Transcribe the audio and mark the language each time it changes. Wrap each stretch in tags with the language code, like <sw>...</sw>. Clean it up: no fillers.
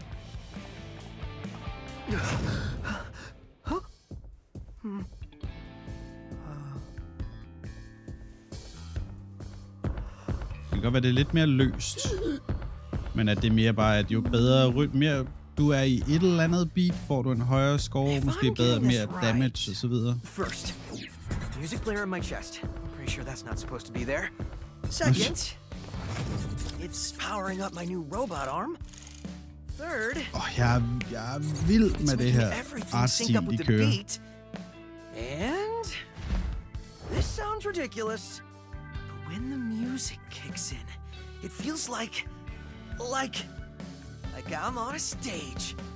<da>Det kan godt være, det er lidt mere løst. Men at det er mere bare, at jo bedre rytme, du er i et eller andet beat, får du en højere score, måske bedre, mere damage osv.</da> <en>First, music player in my chest. Sure, that's not supposed to be there. Second, it's powering up my new robot arm. Third,</en> <da>jeg er vild med det her artstil, de kører.</da> <en>And this sounds ridiculous, but when the music kicks in, it feels like I'm on a stage.</en>